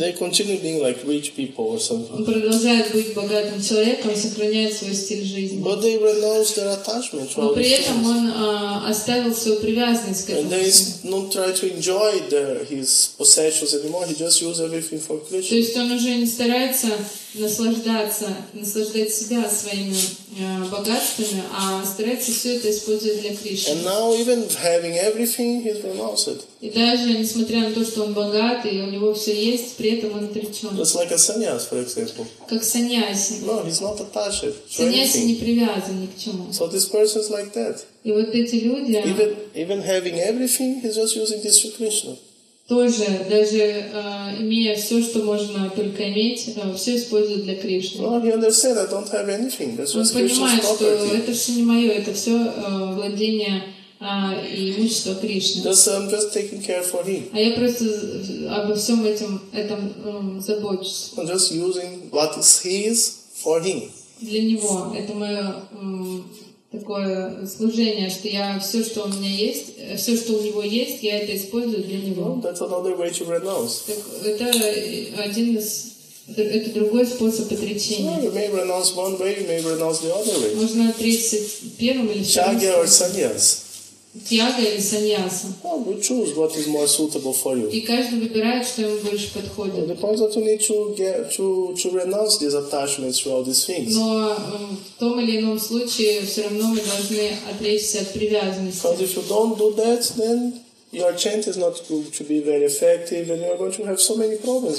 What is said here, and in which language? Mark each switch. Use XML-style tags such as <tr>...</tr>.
<en>They continue being like rich people or something.</en> <ru>Он продолжает быть богатым человеком, сохраняет свой стиль жизни.</ru> <en>But they renounce their attachment.</en> <ru>Но при этом он оставил свою привязанность к этому.</ru> <en>And they don't try to enjoy his possessions anymore. He just uses everything for Krishna.</en> <ru>То есть он уже не старается наслаждать себя своими богатствами, а старается все это использовать для Кришны.</ru> <en>And now even having everything, he's renounced.</en> <ru>И даже несмотря на то, что он богат и у него все есть, при этом он отречен.</ru> <en>Just like a sannyas, for example.</en> <ru>Как саньяси.</ru> <en>No, he's not attached.</en> <ru>Саньяси не привязан ни к чему.</ru> <en>So this person is like that.</en> <ru>И вот эти люди.</ru> <en>Even having everything, he's just using this for Krishna.</en> <ru>Тоже, даже имея все, что можно только иметь, все используют для Кришны.</ru> <en>Well, you understand, I don't have anything. That's just Krishna's</en> <ru>property. Он понимает, что это все не мое, это все владение и имущество Кришны.</ru> <en>I'm just taking care for him.</en> <ru>А я просто обо всем этом забочусь.</ru> <en>I'm just using what is his for him.</en> <ru>Для него. Это мое такое служение, что я все, что у меня есть, все, что у него есть, я это использую для него.</ru> <en>Well, that's another way to renounce.</en> <ru>Так, это другой способ отречения.</ru> <en>So you may renounce one way, you may renounce the other way.</en> <ru>Можно отречься первым или вторым. Чагья или саньяс. Тьяга или саньяса.</ru> <en>Ну, choose what is more suitable for you.</en> <ru>И каждый выбирает, что ему больше подходит.</ru> <en>It depends that you need to get to renounce these attachments to all these things.</en> <ru>Но в том или ином случае все равно мы должны отречься от привязанности.</ru> <en>Because if you don't do that, then your chant is not going to be very effective, and you're going to have so many problems.</en>